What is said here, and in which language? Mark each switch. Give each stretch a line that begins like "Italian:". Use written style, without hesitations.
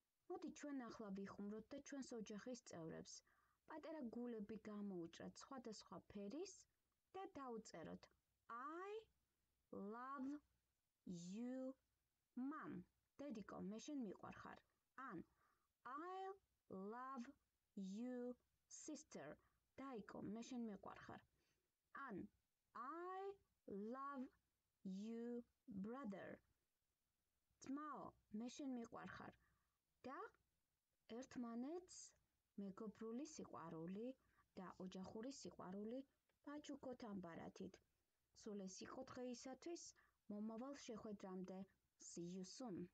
Georgian: Მოდი ჩვენ ახლა ვიხუმროთ და ჩვენს ოჯახის წევრებს. პატარა გულები გამოუჭრათ სხვადასხვა ფერის და დაუწეროთ.
English: I love you, mom.
Georgian: დედიკო, მე შენ მიყვარ ხარ.
English: ან I love you, sister.
Georgian: დაიკო, მე შენ მიყვარ ხარ. ან
English: I love you, brother.
Georgian: ძმაო, მე შენ მიყვარ ხარ. Да ერთმანეთს მეგობრული სიყვარული და ოჯახური სიყვარული ბაჩუქოთ ამბარათით. სულ ეს იყო დღეისათვის. მომავალ შეხვედრამდე.
English: See you soon.